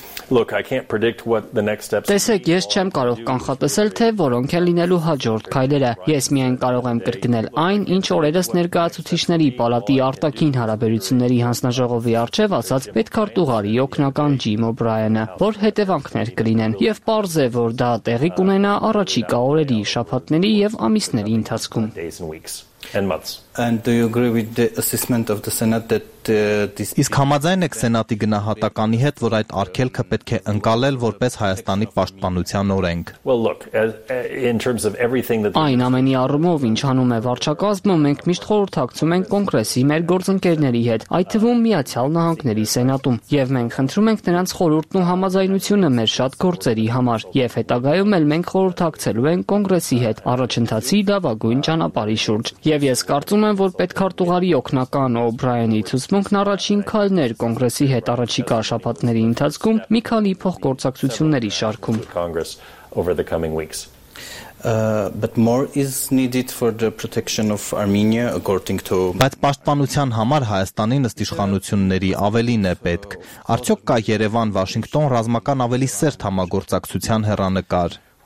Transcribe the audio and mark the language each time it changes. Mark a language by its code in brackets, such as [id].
[en] Look, I can't predict what the next steps are. [hy] Տեսեք, ես չեմ կարող կանխատեսել, թե որոնք են լինելու հաջորդ քայլերը։ Ես միայն կարող եմ կրկնել այն, ինչ օրերս ներկայացուցիչների պալատի արտաքին հարաբերությունների հանձնաժողովի առջև ասաց պետքարտուղարի օգնական Ջիմ Օ'Բրայենը, որ հետևանքներ կլինեն, և պարզ է, որ դա տեղի կունենա առաջիկա օրերի, շաբաթների և ամիսների ընթացքում։ [en] And do you agree with the assessment of the Senate that this [hy] Իսկ համաձայն եք Սենատի գնահատականի հետ, որ այդ արգելքը պետք է ընկալել որպես Հայաստանի պաշտպանության օրենք։ Այն ամենի առումով, ինչ անում է վարչակազմը, մենք միշտ խորհրդակցում ենք կոնգրեսի մեր գործընկերների հետ, այդ թվում Միացյալ Նահանգների Սենատում, եւ մենք խնդրում ենք նրանց խորհուրդն ու համաձայնությունը մեր շատ գործերի համար, եւ հետագայում էլ մենք խորհրդակցելու ենք կոնգրեսի հետ առաջընթացի լավագույն ճանապարհի շուրջ։ Եվ ես կարծում եմ, որ պետքարտուղարի օգնական Օ'Բրայենի ցուցմունքն առաջին քայլներ կոնգրեսի հետ առաջիկա շաբաթների ընթացքում մի քանի փոխգործակցությունների շարքում։ [en] But more is needed for the protection of Armenia according to [hy] Բայց պաշտպանության համար Հայաստանի ըստ իշխանությունների ավելին է պետք։ Արդյոք կա Երևան-Վաշինգտոն ռազմական ավելի սերտ համագործակցության հեռանկար։